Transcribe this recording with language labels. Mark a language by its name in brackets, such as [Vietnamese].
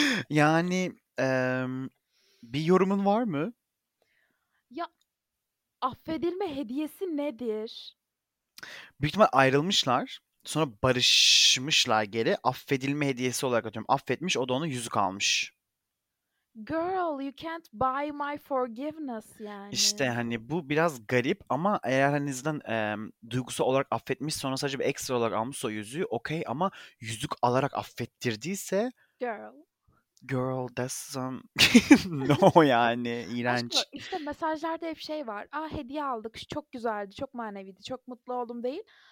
[Turkish] Yani bir yorumun var mı? Ya affedilme hediyesi nedir? Büyük ihtimal ayrılmışlar. Sonra barışmışlar geri. Affedilme hediyesi olarak atıyorum. Affetmiş, o da ona yüzük almış. [English] Girl, you can't buy my forgiveness [Turkish] yani. İşte hani bu biraz garip ama eğer hani sizden duygusal olarak affetmiş, sonra sadece bir ekstra olarak almış o yüzüğü, okey, ama yüzük alarak affettirdiyse... [English] Girl, that's some... no [Turkish] yani, iğrenç. Aşkım, işte mesajlarda hep şey var. Aa, hediye aldık, çok güzeldi, çok maneviydi, çok mutlu oldum değil.